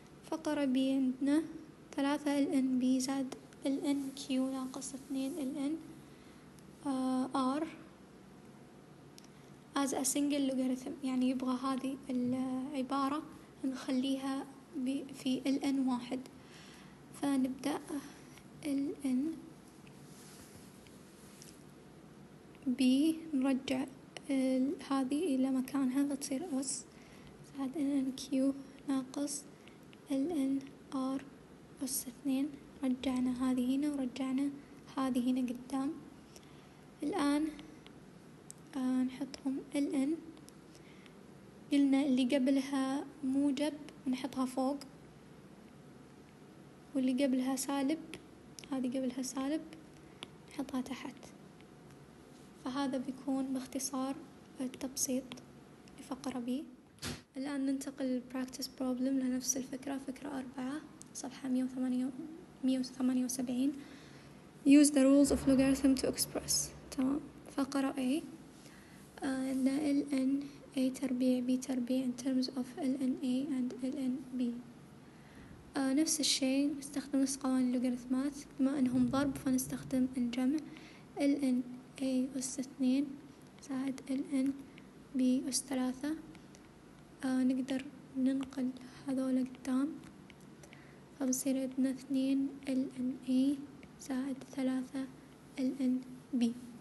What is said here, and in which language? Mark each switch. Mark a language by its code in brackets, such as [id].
[ar] فقرة B عندنا 3 LN B زاد LN Q ناقص 2 LN R [en] as a single logarithm، [ar] يعني يبغى هذه العبارة نخليها في LN واحد. فنبدأ LN B نرجع هذه إلى مكانها فتصير أس زائد LN Q ناقص LN R أس 2. رجعنا هذه هنا ورجعنا هذه هنا قدام. الآن نحطهم LN، قلنا اللي قبلها موجب نحطها فوق، واللي قبلها سالب هذه قبلها سالب نحطها تحت. فهذا بيكون باختصار التبسيط لفقرة B. الآن ننتقل للبراكتس بروبلم لنفس الفكرة، فكرة 4 صفحة 178. [en] Use the rules of logarithm to express. [ar] تمام، فقرة A عندنا [en] LN A [ar] تربيع B تربيع [en] in terms of LNA and LNB. [ar] نفس الشيء نستخدم نفس قوانين اللوغاريتمات، بما أنهم ضرب فنستخدم الجمع LNA أس 2 زائد LNB أس 3. نقدر ننقل هذول قدام، فبصير عندنا 2 LNA زائد 3 LNB.